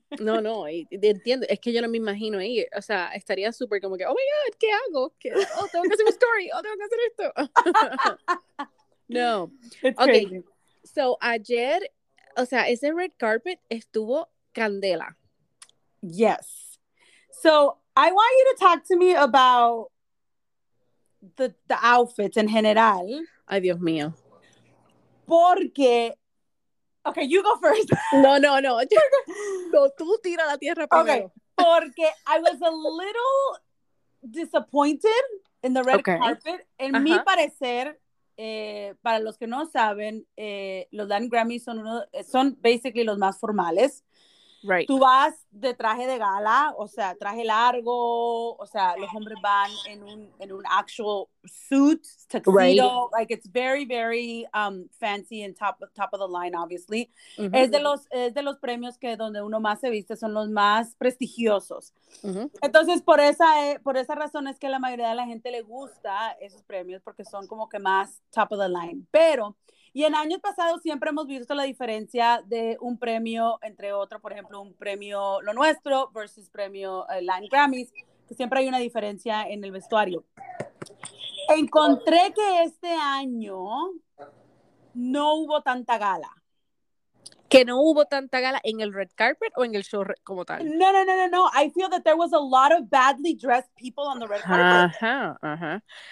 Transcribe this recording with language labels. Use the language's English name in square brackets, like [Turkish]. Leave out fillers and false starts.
[Spanish] No, no, entiendo. Es que yo no me imagino ahí. O sea, estaría súper como que, [English] oh my God, [Spanish] ¿qué hago? ¿Qué? Oh, tengo que hacer un story. Oh, tengo que hacer esto. No. [English] It's okay. Crazy. [Spanish] So, ayer, o sea, ese red carpet estuvo candela. [English] Yes. So, I want you to talk to me about the outfits [Spanish] en general. Ay, Dios mío. [English] Porque, okay, you go first. [Spanish] No. No, tú tira la tierra primero. [English] Okay, porque I was a little disappointed in the red carpet. [Spanish] En mi parecer, para los que no saben, los Latin Grammys son basically los más formales. [English] Right. [Spanish] Tú vas de traje de gala, o sea, traje largo, o sea, los hombres van en un [English] actual suit, [Spanish] tuxedo, right. [English] Like it's very, very fancy and top of the line, obviously. Mm-hmm. [Spanish] Es de los premios que donde uno más se viste son los más prestigiosos. Mm-hmm. Entonces, por esa razón es que la mayoría de la gente le gusta esos premios porque son como que más [English] top of the line. [Spanish] Pero, y en años pasados siempre hemos visto la diferencia de un premio entre otro, por ejemplo, un premio Lo Nuestro versus premio Latin Grammys, que siempre hay una diferencia en el vestuario. Encontré que este año no hubo tanta gala. ¿Que no hubo tanta gala en el red carpet o en el show como tal? No. [English] I feel that there was a lot of badly dressed people on the red carpet.